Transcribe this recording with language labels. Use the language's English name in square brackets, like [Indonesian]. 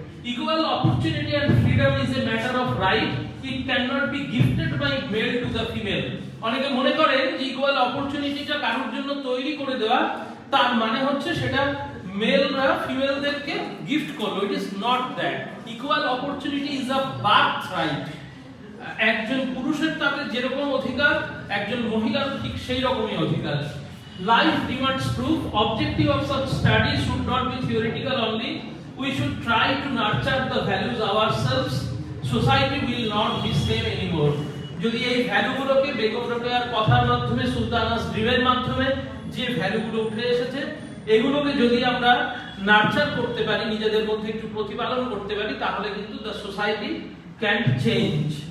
[English] Equal opportunity and freedom is a matter of right. It cannot be gifted by male to the female. [Bangla] অনেকে মনে করে যে equal অপরচুনিটিটা কারোর জন্য তৈরি করে দেওয়া, তার মানে হচ্ছে সেটা মেলরা ফিমেলদেরকে গিফট করলো. [English] It is not that. Equal opportunity is a birth right. [Bangla] একজন পুরুষের তাকে যেরকম অধিকার, একজন মহিলার ঠিক সেই রকমই অধিকার. [English] Life demands proof. Objective of such study should not be theoretical only. We should try to nurture the values ourselves. Society will not be same anymore. [Bangla] যদি এই ভ্যালুগুলোকে বেগম রোকেয়ার কথার মাধ্যমে, সুলতানাস ড্রিমের মাধ্যমে যে ভ্যালুগুলো উঠে এসেছে এগুলোকে যদি আমরা নার্চার করতে পারি, নিজেদের মধ্যে একটু প্রতিপালন করতে পারি, তাহলে কিন্তু [English] The society can change.